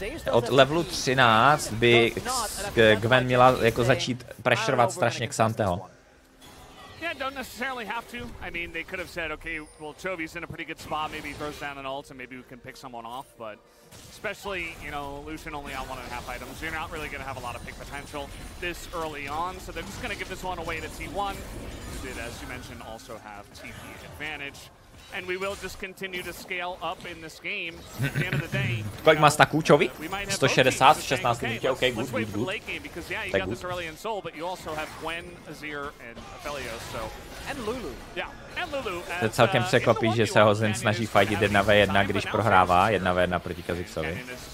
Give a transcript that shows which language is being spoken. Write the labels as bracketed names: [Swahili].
[Czech] Od levelu 13 by Gwen měla jako začít prešrovat strašně Xanteho. [English] Yeah, don't necessarily have to. I mean, they could have said, okay, well, Chovy's in a pretty good spot. Maybe he throws down an ult and maybe we can pick someone off. But especially, you know, Lucian only on 1.5 items. You're not really going to have a lot of pick potential this early on. So they're just going to give this one away to T1. Did, as you mentioned, also have TP advantage. And we will just continue to scale up in this game. At the end of the day, you know, we might have 160, 16, okay, okay, good, good, good. Late game because, yeah, you got this Aurelion Soul, but you also have Gwen, Azir, and Aphelios, so... And Lulu. Yeah. And Lulu. [Czech] To je celkem překvapí, že se Hozin snaží fightit 1v1, když prohrává 1v1 proti Kazixovi.